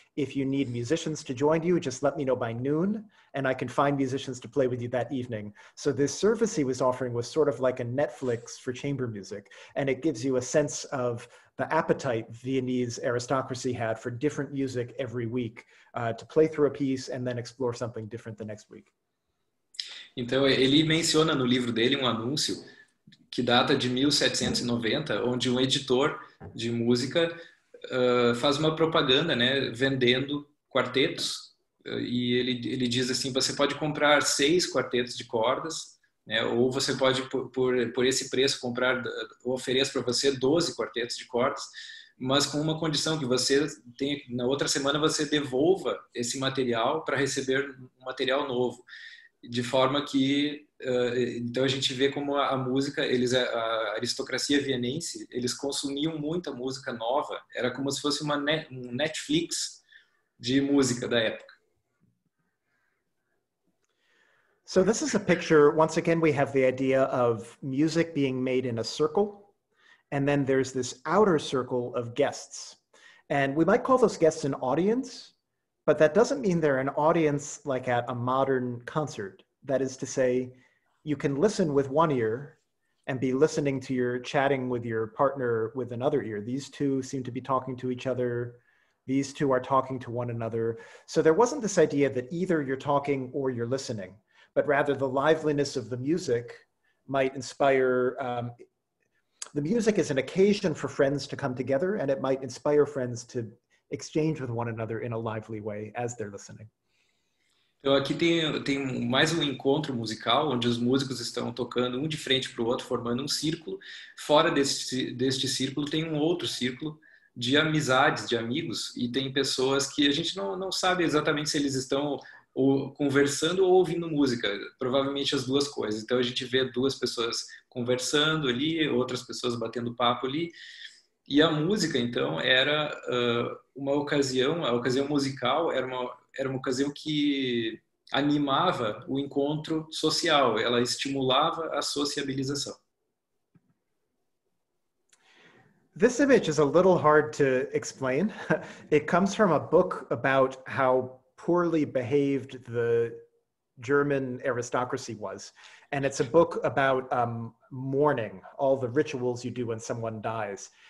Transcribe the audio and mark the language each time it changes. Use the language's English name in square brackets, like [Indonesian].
[English] If you need musicians to join you, just let me know by noon and I can find musicians to play with you that evening." So this service he was offering was sort of like a Netflix for chamber music, and it gives you a sense of the appetite Viennese aristocracy had for different music every week, to play through a piece and then explore something different the next week. [Portuguese] Então ele menciona no livro dele um anúncio que data de 1790, onde um editor de música faz uma propaganda, né, vendendo quartetos, e ele diz assim: você pode comprar 6 quartetos de cordas, né, ou você pode por esse preço comprar ou oferecer para você 12 quartetos de cordas, mas com uma condição que você tem na outra semana você devolva esse material para receber um material novo, de forma que então a gente vê como a música, eles, a aristocracia vienense, eles consumiam muita música nova, era como se fosse um Netflix de música da época. [English] So this is a picture, once again we have the idea of music being made in a circle, and then there's this outer circle of guests. And we might call those guests an audience, but that doesn't mean they're an audience like at a modern concert. That is to say, you can listen with one ear and be listening to your chatting with your partner with another ear. These two seem to be talking to each other. These two are talking to one another. So there wasn't this idea that either you're talking or you're listening, but rather the liveliness of the music might inspire, the music is an occasion for friends to come together, and it might inspire friends to exchange with one another in a lively way as they're listening. [Portuguese] Então, aqui tem mais um encontro musical, onde os músicos estão tocando um de frente para o outro, formando um círculo. Fora deste círculo, tem um outro círculo de amizades, de amigos, e tem pessoas que a gente não sabe exatamente se eles estão conversando ou ouvindo música. Provavelmente as duas coisas. Então, a gente vê duas pessoas conversando ali, outras pessoas batendo papo ali. E a música, então, era uma ocasião, a ocasião musical era uma ocasião que animava o encontro social, ela estimulava a sociabilização. [English] This image is a little hard to explain. It comes from a book about how poorly behaved the German aristocracy was. And it's a book about mourning, all the rituals you do when someone dies.